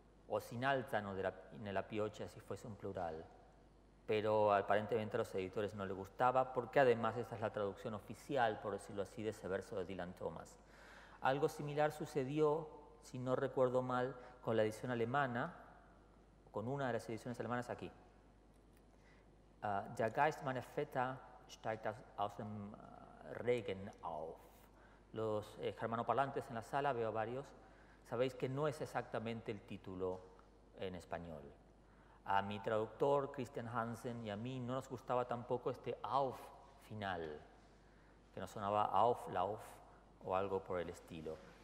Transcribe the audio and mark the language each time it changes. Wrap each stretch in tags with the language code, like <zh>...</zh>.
<es>O sin altano en la piocha, si fuese un plural. Pero aparentemente a los editores no les gustaba, porque además esta es la traducción oficial, por decirlo así, de ese verso de Dylan Thomas. Algo similar sucedió, si no recuerdo mal, con la edición alemana, con una de las ediciones alemanas aquí.</es> <de>Der Geist meiner Väter steigt aus dem Regen auf.</de> <es>Los germanoparlantes en la sala, veo varios. Sabéis que no es exactamente el título en español. A mi traductor, Christian Hansen, y a mí no nos gustaba tampoco este auf final, que nos sonaba auf, lauf o algo por el estilo.</es>